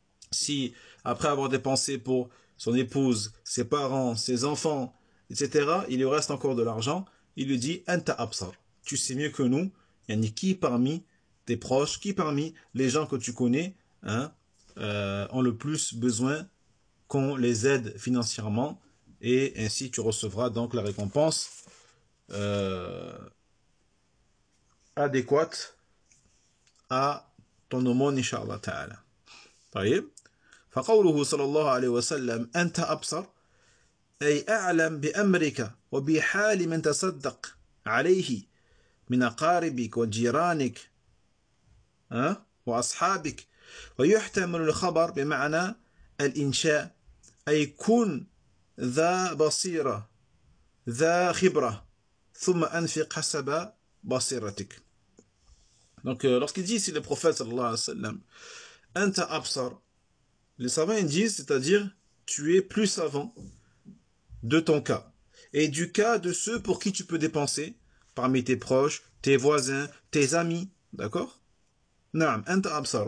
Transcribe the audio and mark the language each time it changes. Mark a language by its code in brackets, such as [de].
[fr] Si, après avoir dépensé pour son épouse, ses parents, ses enfants, etc., il lui reste encore de l'argent, il lui dit, [ar] Anta absar, [fr] tu sais mieux que nous, yani, qui parmi tes proches, qui parmi les gens que tu connais, hein, ont le plus besoin qu'on les aide financièrement, et ainsi tu recevras donc la récompense adéquate à ton aumône, inshallah ta'ala. Voyez? [ar] فقوله صلى الله عليه وسلم أنت أبصر أي أعلم بأمرك وبحال من تصدق عليه من أقاربك وجيرانك وأصحابك ويحتمل الخبر بمعنى الإنشاء أي كن ذا بصيرة ذا خبرة ثم أنفق حسب بصيرتك. [fr] Donc lorsqu'il dit ici le prophète sallallahu alayhi wa sallam [ar] أنت أبصر. [fr] Les savants ils disent, c'est-à-dire, tu es plus savant de ton cas et du cas de ceux pour qui tu peux dépenser, parmi tes proches, tes voisins, tes amis, d'accord? Naam, [ar] anta absar.